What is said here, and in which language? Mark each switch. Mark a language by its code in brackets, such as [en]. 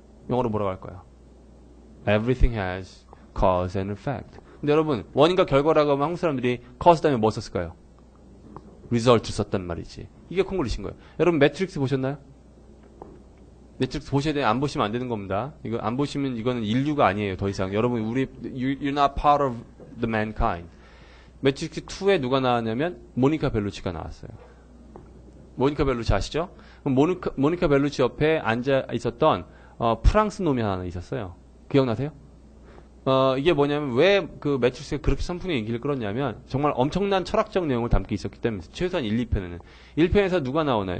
[ko] 영어로 뭐라고 할까요? [en] Everything has cause and effect. [ko] 근데 여러분 원인과 결과라고 하면 한국 사람들이 cause 다음에 뭐 썼을까요? result 썼단 말이지. 이게 콩글리신 거예요. 여러분 매트릭스 보셨나요? 매트릭스 보셔야 돼. 안 보시면 안 되는 겁니다. 이거 안 보시면 이거는 인류가 아니에요. 더 이상. 여러분 우리 [en] you're not part of the mankind. [ko] 매트릭스 2에 누가 나왔냐면 모니카 벨루치가 나왔어요. 모니카 벨루치 아시죠? 그럼 모니카 벨루치 옆에 앉아 있었던 프랑스 놈이 하나 있었어요. 기억나세요? 이게 뭐냐면 왜 그 매트릭스가 그렇게 선풍의 인기를 끌었냐면 정말 엄청난 철학적 내용을 담기 있었기 때문에 최소한 1, 2편에는 1편에서 누가 나오나요?